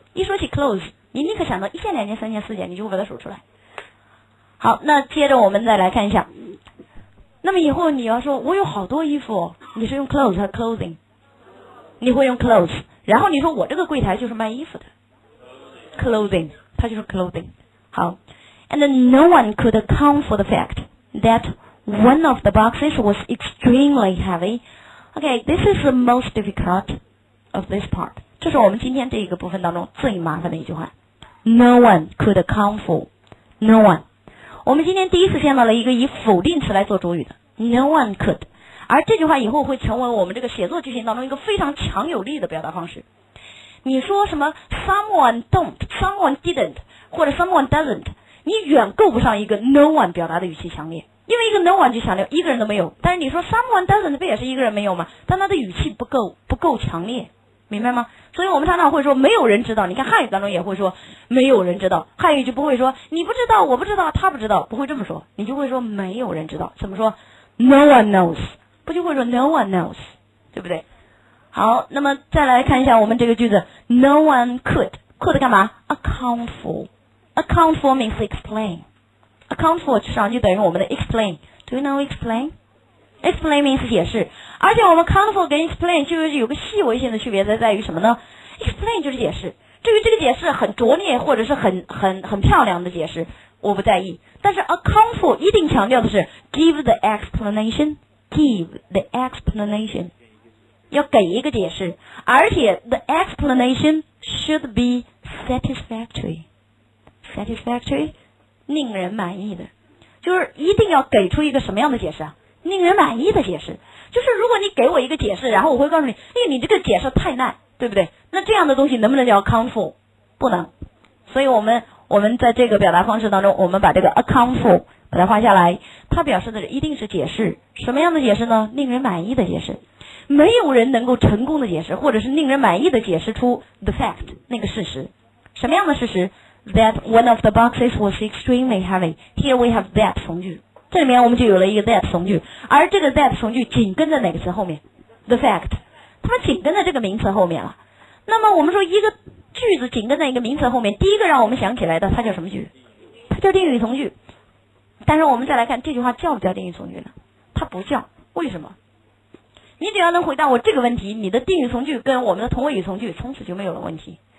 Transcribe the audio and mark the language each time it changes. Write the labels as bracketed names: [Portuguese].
[Chinese] 一说起 clothes， 你立刻想到一件两件三件四件，你就会把它数出来。好，那接着我们再来看一下。那么以后你要说我有好多衣服，你是用 clothes 和 clothing， 你会用 clothes。然后你说我这个柜台就是卖衣服的 clothing， 它就是 clothing。 [English] 好， and no one could account for the fact that one of the boxes was extremely heavy. OK, this is the most difficult of this part， [Chinese] 这是我们今天这个部分当中最麻烦的一句话。 [English] No one could account for， no one， [Chinese] 我们今天第一次见到了一个以否定词来做主语的 [English] no one could， [Chinese] 而这句话以后会成为我们这个写作句型当中一个非常强有力的表达方式。你说什么 [English] someone don't， someone didn't， [Chinese] 或者 [English] someone doesn't， [Chinese] 你远够不上一个 no one 表达的语气强烈。因为一个 no one 就强调一个人都没有，但是你说 [English] someone doesn't [Chinese] 不也是一个人没有吗？但他的语气不够强烈，明白吗？所以我们常常会说没有人知道，你看汉语当中也会说没有人知道，汉语就不会说你不知道我不知道他不知道，不会这么说，你就会说没有人知道。怎么说？ no one knows，不就会说 no one knows， 对不对？好，那么再来看一下我们这个句子， [English] no one could， [Chinese] could 干嘛？ [English] account for， account for means explain， account for [Chinese] 实际上就等于我们的 [English] explain， do you know explain？ explain means 解释。 [Chinese] 而且我们 account for 跟 explain 就是有个细微性的区别，在于什么呢？ explain 就是解释，至于这个解释很拙劣或者是很漂亮的解释我不在意，但是 account for 一定强调的是 [English] give the explanationgive the explanation， [Chinese] 要给一个解释，而且 [English] the explanation should be satisfactory， [Chinese] satisfactory 令人满意的，就是一定要给出一个什么样的解释啊？令人满意的解释。就是如果你给我一个解释，然后我会告诉你，哎，你这个解释太烂，对不对？那这样的东西能不能叫 account for？ 不能。所以我们在这个表达方式当中，我们把这个 account for把它画下来，它表示的一定是解释。什么样的解释呢？令人满意的解释。没有人能够成功的解释或者是令人满意的解释出 the fact， 那个事实。什么样的事实？ [English] that one of the boxes was extremely heavy， here we have that [Chinese] 从句，这里面我们就有了一个 that 从句，而这个 that 从句紧跟在哪个词后面？ the fact， 它们紧跟在这个名词后面了。那么我们说一个句子紧跟在一个名词后面，第一个让我们想起来的它叫什么句？它叫定语从句。但是我们再来看这句话叫不叫定语从句呢？它不叫。为什么？你只要能回答我这个问题，你的定语从句跟我们的同位语从句从此就没有了问题。